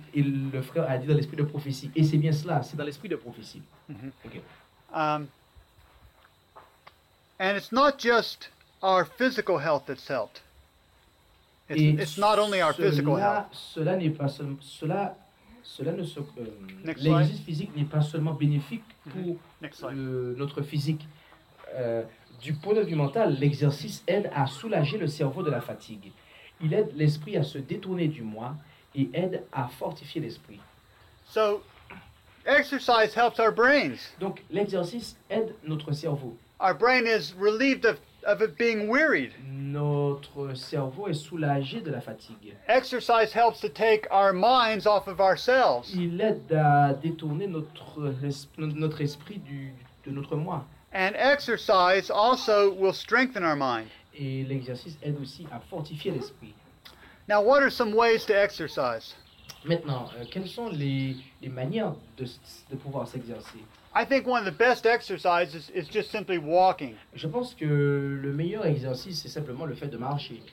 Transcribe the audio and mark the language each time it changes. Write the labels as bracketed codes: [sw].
[fr] et le frère a dit dans l'esprit de prophétie. Et c'est bien cela, c'est dans l'esprit de prophétie. Mm-hmm. Okay. [en] And it's not just our physical health that's helped. It's not only our physical health. [fr] Cela n'est pas seulement cela ne se l'exercice physique n'est pas seulement bénéfique pour notre physique. Du point de vue mental, l'exercice aide à soulager le cerveau de la fatigue. Il aide l'esprit à se détourner du moi et aide à fortifier l'esprit. [en] So, exercise helps our brains. [fr] Donc l'exercice aide notre cerveau. [en] Our brain is relieved of it being wearied. [fr] Notre cerveau est soulagé de la fatigue. [en] Exercise helps to take our minds off of ourselves. [fr] Il aide à détourner notre esprit de notre moi. [en] And exercise also will strengthen our mind. [fr] Et l'exercice aide aussi à fortifier l'esprit. [en] Now, what are some ways to exercise? [fr] Maintenant, quelles sont les manières de pouvoir s'exercer? [en] I think one of the best exercises is just simply walking. [fr] Je pense que le meilleur exercice c'est simplement le fait de marcher.